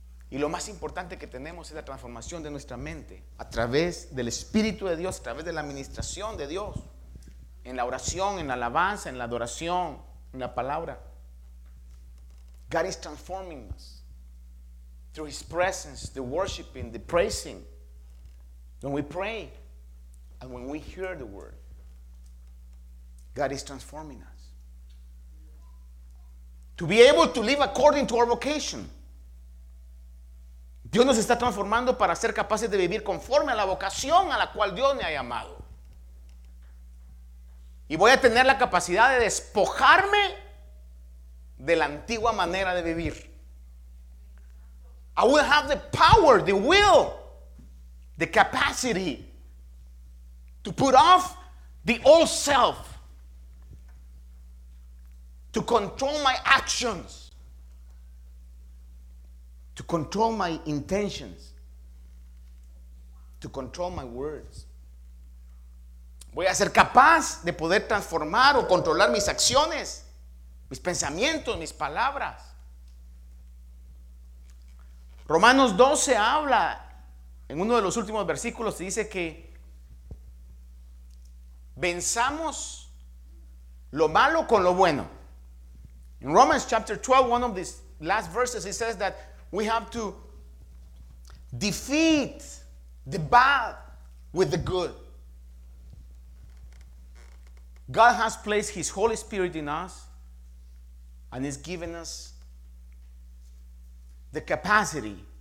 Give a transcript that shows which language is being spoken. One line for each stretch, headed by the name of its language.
Spanish: Y lo más importante que tenemos es la transformación de nuestra mente a través del Espíritu de Dios, a través de la administración de Dios. En la oración, en la alabanza, en la adoración, en la palabra.
English: God is transforming us through His presence, the worshiping, the praising. When we pray and when we hear the word, God is transforming us. To be able to live according to our vocation.
Spanish: Dios nos está transformando para ser capaces de vivir conforme a la vocación a la cual Dios me ha llamado. Y voy a tener la capacidad de despojarme de la antigua manera de vivir.
English: I will have the power, the will, the capacity to put off the old self, to control my actions, to control my intentions, to control my words.
Spanish: Voy a ser capaz de poder transformar o controlar mis acciones, mis pensamientos, mis palabras. Romanos 12 habla, en uno de los últimos versículos, dice que venzamos lo malo con lo bueno.
English: In Romans chapter 12, one of these last verses, it says that we have to defeat the bad with the good. God has placed His Holy Spirit in us and has given us the capacity